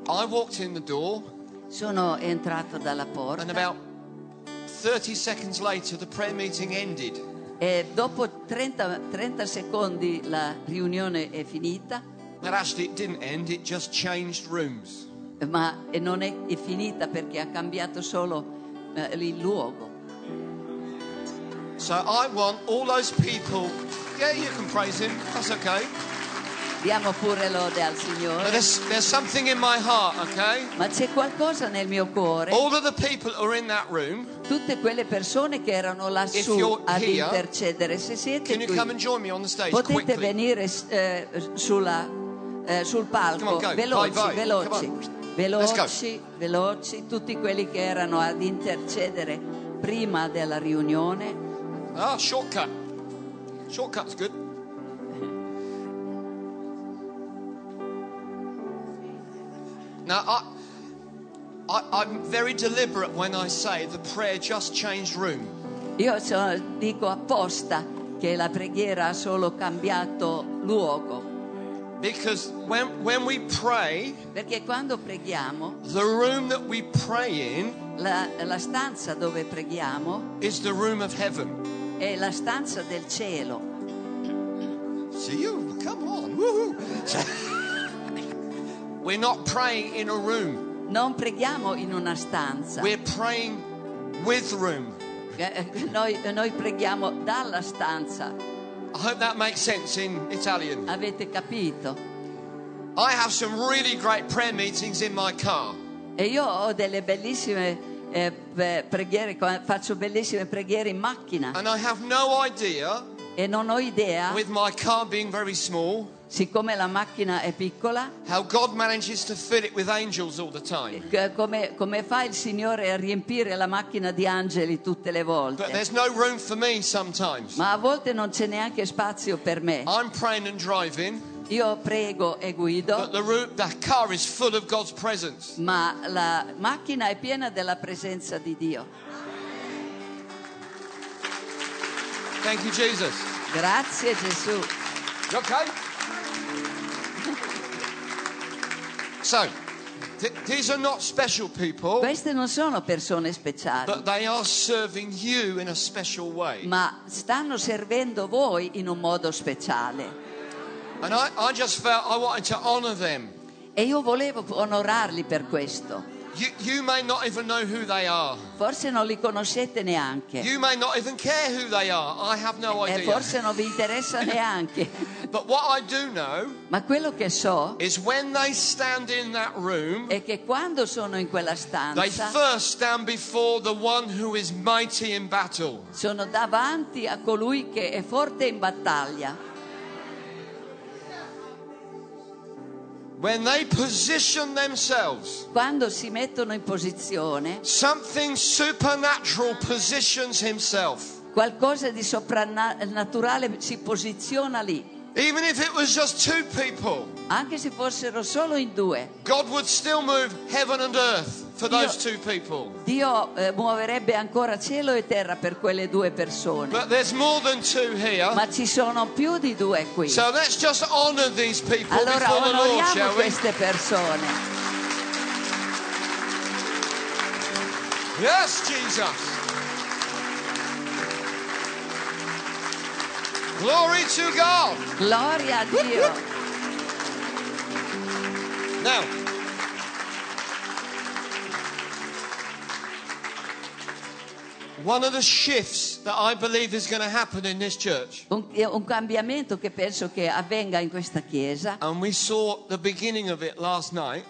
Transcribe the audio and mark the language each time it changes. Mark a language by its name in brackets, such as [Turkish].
[English] I walked in the door. [Italian] Sono entrato dalla porta. [English] And about 30 seconds later the prayer meeting ended. [Italian] E dopo 30 secondi la riunione è finita. [English] But actually it didn't end, it just changed rooms. [Italian] Ma non è, è finita perché ha cambiato solo il luogo. [English] So I want all those people. Yeah, you can praise him. That's okay. [Italian] Diamo pure lode al Signore. [English] There's something in my heart, okay? [Italian] Ma c'è qualcosa nel mio cuore. [English] All of the people are in that room. [Italian] Tutte quelle persone che erano lassù ad intercedere, se siete qui. [English] Can you come and join me on the stage? [Italian] Potete [English] quickly. [Italian] Venire sulla sul palco. [English] Come on, go. [Italian] Veloci, vai, vai. Veloci. [English] Come on. [Italian] Veloci, veloci, tutti quelli che erano ad intercedere prima della riunione. [English] Ah, shortcut. Shortcut's good. Now I'm very deliberate when I say the prayer just changed room. [Italian] Io dico apposta che la preghiera ha solo cambiato luogo. [English] Because when we pray, [Italian] perché quando preghiamo, [English] the room that we pray in, [Italian] la stanza dove preghiamo, [English] is the room of heaven. [Italian] È la stanza del cielo. [English] See you. Come on. Woohoo. We're not praying in a room. [Italian] Non preghiamo in una stanza. [English] We're praying with room. [Italian] Noi preghiamo dalla stanza. [English] I hope that makes sense in Italian. [Italian] Avete capito? [English] I have some really great prayer meetings in my car. [Italian] E io ho delle bellissime preghiere, faccio bellissime preghiere in macchina. [English] And I have no idea. [Italian] E non ho idea. [English] With my car being very small. [Italian] Siccome la macchina è piccola, [English] how God manages to fill it with angels all the time. [Italian] Come fa il Signore a riempire la macchina di angeli tutte le volte? [English] But there's no room for me sometimes. [Italian] Ma a volte non c'è neanche spazio per me. [English] I'm praying and driving. [Italian] Io prego e guido. [English] But the car is full of God's presence. [Italian] Ma la macchina è piena della presenza di Dio. [English] Thank you, Jesus. [Italian] Grazie Gesù. [English] You okay? So, these are not special people. [Italian] Queste non sono persone speciali. [English] But they are serving you in a special way. [Italian] Ma stanno servendo voi in un modo speciale. [English] And I just felt I wanted to honor them. [Italian] E io volevo onorarli per questo. [English] You may not even know who they are. [Italian] Forse non li conoscete neanche. [English] You may not even care who they are. I have no idea. [Italian] E forse non vi interessa neanche. [English] But what I do know, [Italian] ma quello che so, [English] is when they stand in that room, [Italian] è che quando sono in quella stanza, [English] they first stand before the one who is mighty in battle. [Italian] Sono davanti a colui che è forte in battaglia. [English] When they position themselves, [Italian] quando si mettono in posizione, [English] something supernatural positions himself. [Italian] Qualcosa di soprannaturale si posiziona lì. [English] Even if it was just two people, [Italian] anche se fossero solo in due, [English] God would still move heaven and earth for those two people. [Italian] Dio muoverebbe ancora cielo e terra per quelle due persone. [English] But there's more than two here. [Italian] Ma ci sono più di due qui. [English] So let's just honor these people. [Italian] Allora, [English] before [Italian] onoriamo [English] the Lord, shall [Italian] queste [English] we? [Italian] Persone. [English] Yes, Jesus. Glory to God. [Italian] Gloria a Dio. [English] Now, one of the shifts that I believe is going to happen in this church. [Italian] Un cambiamento che penso che avvenga in questa chiesa. [English] And we saw the beginning of it last night.